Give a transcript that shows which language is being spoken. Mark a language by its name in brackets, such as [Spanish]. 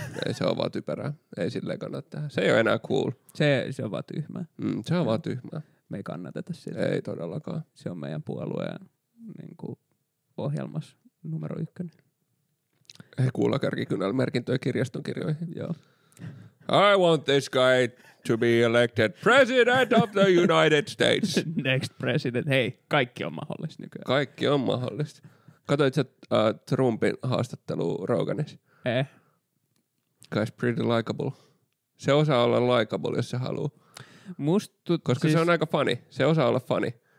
[Finnish] Ei, se on vaan typerää. Ei silleen kannata tehdä. Se ei ole enää cool. Se on vaan tyhmää. Mm, se on vaan tyhmää. Me ei kannateta sitä. Ei todellakaan. Se on meidän puolueen niin kuin ohjelmas numero 1. Ei kuulla kärkikynällä merkintöä kirjaston kirjoihin. Joo. [English] I want this guy to be elected president of the United States. Next president. [Finnish] Hei, kaikki on mahdollista nykyään. Kaikki on mahdollista. Katoitko sä Trumpin haastattelu Roganissa? Eh. [English] Guy's pretty likable. [Finnish] Se osaa olla likable, jos se haluaa. Koska siis... se on aika funny. Se osaa olla funny.